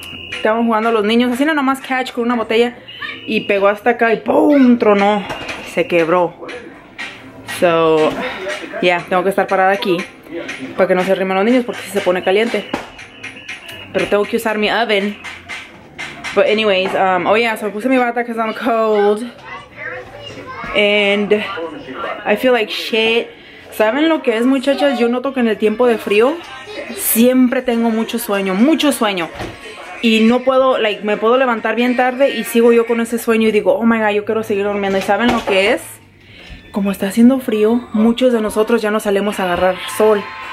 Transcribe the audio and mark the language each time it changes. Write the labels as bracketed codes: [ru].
[es] Estaban jugando los niños, haciendo nomás catch con una botella. Y pegó hasta acá y ¡pum! Tronó. Se quebró. [en] So, yeah, [es] tengo que estar parada aquí para que no se arrimen los niños porque se pone caliente. Pero tengo que usar mi oven. [en] But anyways, oh yeah, so I [es] puse [en] my [es] bata [en] because I'm cold. And I feel like shit. [es] ¿Saben lo que es, muchachas? Yo noto que en el tiempo de frío siempre tengo mucho sueño, mucho sueño. Y no puedo, me puedo levantar bien tarde y sigo yo con ese sueño y digo, [en] oh my god, [es] yo quiero seguir durmiendo. ¿Y saben lo que es? Como está haciendo frío, muchos de nosotros ya no salimos a agarrar sol.